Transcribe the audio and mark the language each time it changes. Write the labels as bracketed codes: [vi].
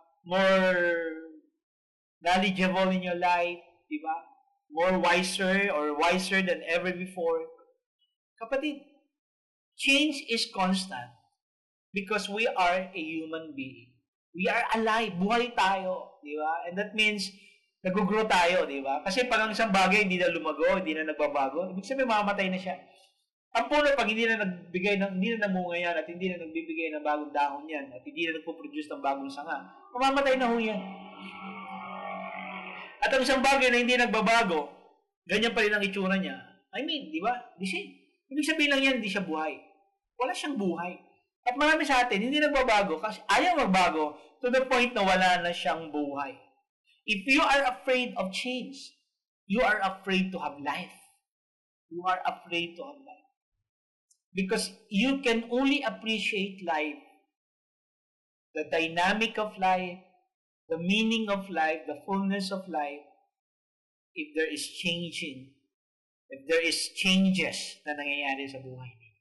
[en] More knowledgeable in your life, [tl] di ba? [en] More wiser or wiser than ever before. [tl] Kapatid, [en] change is constant because we are a human being. We are alive, [tl] buhay tayo, di ba? [en] And that means [tl] nag-grow tayo, di ba? Kasi pag ang isang bagay hindi na lumago, hindi na nagbabago, ibig sabihin mamatay na siya. Ang puno pag hindi na namungayan at hindi na nagbibigay ng bagong dahon yan at hindi na nagpo-produce ng bagong sanga, mamamatay na ho yan. At ang isang bagay na hindi nagbabago, ganyan pa rin ang itsura niya. [en] I mean, [tl] di ba? Ibig sabihin lang yan, hindi siya buhay. Wala siyang buhay. At marami sa atin, hindi nagbabago kasi ayaw magbago [en] to the point [tl] na wala na siyang buhay. [en] If you are afraid of change, you are afraid to have life. You are afraid to have life. Because you can only appreciate life, the dynamic of life, the meaning of life, the fullness of life, if there is changing, if there is changes [tl] na nangyayari sa buhay.